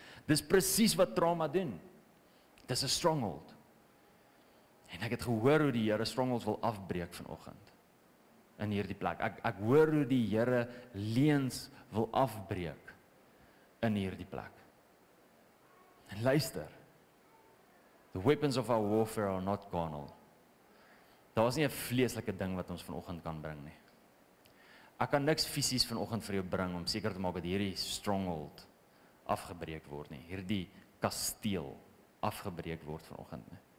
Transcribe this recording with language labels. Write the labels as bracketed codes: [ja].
[af] Dis presies wat trauma doen. Dis 'n stronghold. En ek het gehoor hoe die Here strongholds wil afbreek vanoggend. In hierdie plek. Ek hoor hoe die Here leens wil afbreek in hierdie plek. En luister. [en] The weapons of our warfare are not carnal. [af] Daar is nie 'n vleeslike ding wat ons vanoggend kan bring nie. Ek kan niks fisies vanoggend vir jou bring om seker te maak dat hierdie stronghold afgebreek word nie. Hierdie kasteel afgebreek word vanoggend nie.